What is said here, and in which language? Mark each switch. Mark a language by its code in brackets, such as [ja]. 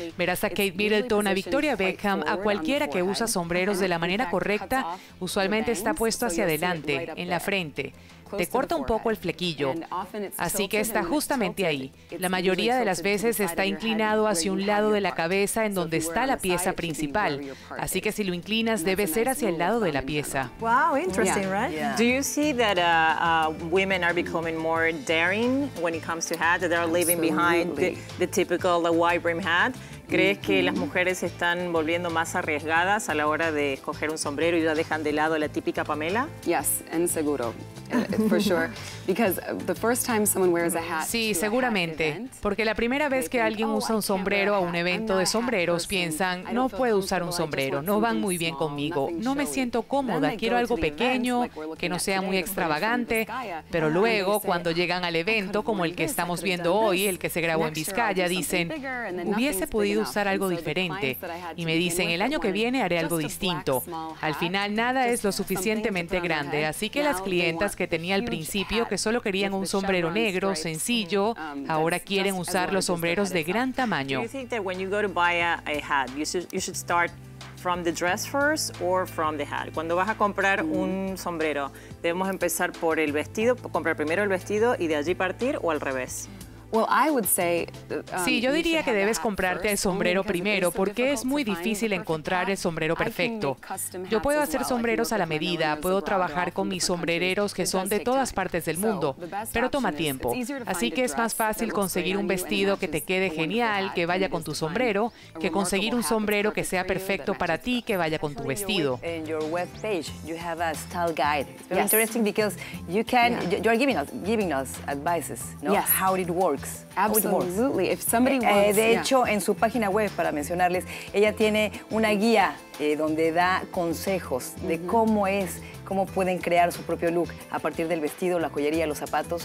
[es] Verás a Kate Middleton, a Victoria Beckham, a cualquiera que usa sombreros de la manera correcta, usualmente está puesto hacia adelante, en la frente. Te corta un poco el flequillo, así que está justamente ahí. La mayoría de las veces está inclinado hacia un lado de la cabeza en donde está la pieza principal, así que si lo inclinas debe ser hacia el lado de la pieza. [en] Wow, interesting, right? Do you see that women are becoming more daring when it comes to hats? That they are leaving behind the typical wide brim hat? [es] ¿Crees que las mujeres están volviendo más arriesgadas a la hora de escoger un sombrero y ya dejan de lado la típica Pamela? [en] Yes, and [es] seguro. [en] For sure. Because the first time someone wears a hat. [es] Sí, seguramente. Porque la primera vez que alguien usa un sombrero a un evento de sombreros, piensan, no puedo usar un sombrero, no van muy bien conmigo, no me siento cómoda, quiero algo pequeño, que no sea muy extravagante. Pero luego, cuando llegan al evento, como el que estamos viendo hoy, el que se grabó en Vizcaya, dicen, hubiese podido usar algo diferente. Y me dicen, el año que viene haré algo distinto. Al final, nada es lo suficientemente grande, así que las clientas que tenía al principio, que solo querían un sombrero negro, sencillo, ahora quieren usar los sombreros de gran tamaño. [en] ¿Do you think that when you go to buy a hat, you should start from the dress first or from the hat? [es] Cuando vas a comprar un sombrero, ¿debemos empezar por el vestido, comprar primero el vestido y de allí partir o al revés? Sí, yo diría que debes comprarte el sombrero primero porque es muy difícil encontrar el sombrero perfecto. Yo puedo hacer sombreros a la medida, puedo trabajar con mis sombrereros que son de todas partes del mundo, pero toma tiempo. Así que es más fácil conseguir un vestido que te quede genial, que vaya con tu sombrero, que conseguir un sombrero que sea perfecto para ti, que vaya con tu vestido. En tu [en] web page, you have a style guide. It's very interesting because you can, you are giving us advices, how it works. Absolutely. If somebody wants, [es] de hecho, en su página web, para mencionarles, ella tiene una guía donde da consejos de cómo es, cómo pueden crear su propio look a partir del vestido, la joyería, los zapatos.